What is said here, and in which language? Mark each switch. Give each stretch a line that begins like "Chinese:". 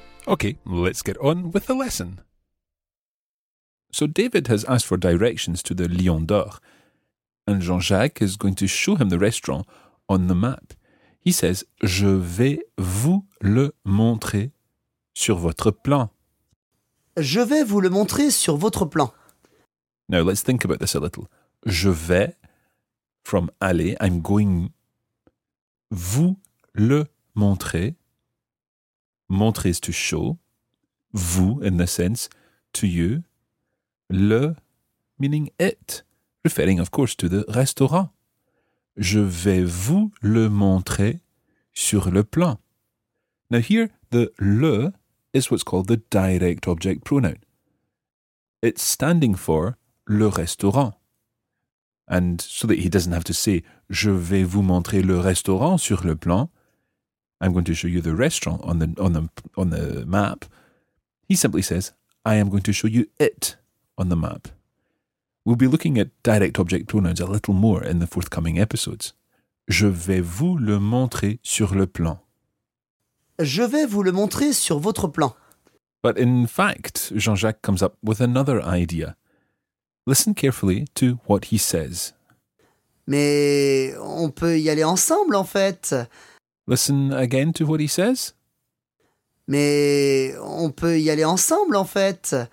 English: Okay, let's get on with the lesson. So David has asked for directions to the Lion d'Or, and Jean-Jacques is going to show him the restaurant on the map.
French: He says, je vais vous le montrer sur votre plan. Je vais vous le montrer sur votre plan.
English: Now, let's think about this a little.
French: Je vais,
English: from aller, I'm going,
French: vous le montrer.
English: Montrer is to show, vous in the sense, to you, le meaning it, referring of course to the restaurant.
French: Je vais vous le montrer sur le plan.
English: Now here, the le is what's called the direct object pronoun. It's standing for le restaurant. And so that he doesn't have to say,
French: je vais vous montrer le restaurant sur le plan,
English: I'm going to show you the restaurant on the map. He simply says, I am going to show you it on the map. We'll be looking at direct object pronouns a little more in the forthcoming episodes.
French: Je vais vous le montrer sur le plan. Je vais vous le montrer sur votre plan.
English: But in fact, Jean-Jacques comes up with another idea. Listen carefully to what he says.
French: Mais on peut y aller ensemble, en fait.
English: Listen again to what he says.
French: Mais on peut y aller ensemble, en fait.